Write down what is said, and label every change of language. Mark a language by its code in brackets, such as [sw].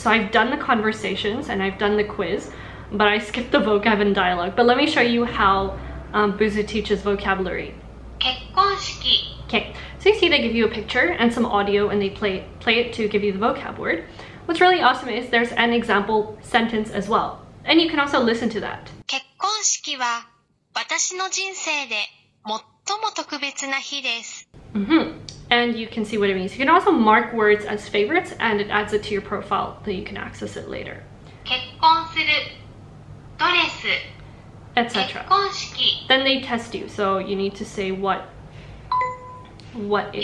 [en] So I've done the conversations and I've done the quiz, but I skipped the vocab and dialogue. But let me show you how Busuu teaches vocabulary. [ja] 結婚式. [en] Okay, so you see they give you a picture and some audio, and they play it to give you the vocab word. What's really awesome is there's an example sentence as well, and you can also listen to that. [ja] 結婚式は私の人生で最も特別な日です. [en] Mm-hmm. And you can see what it means. You can also mark words as favorites, and it adds it to your profile so you can access it later. [ja] 結婚するドレス, [en] etc. [ja] 結婚式. [en] Then they test you, so you need to say what it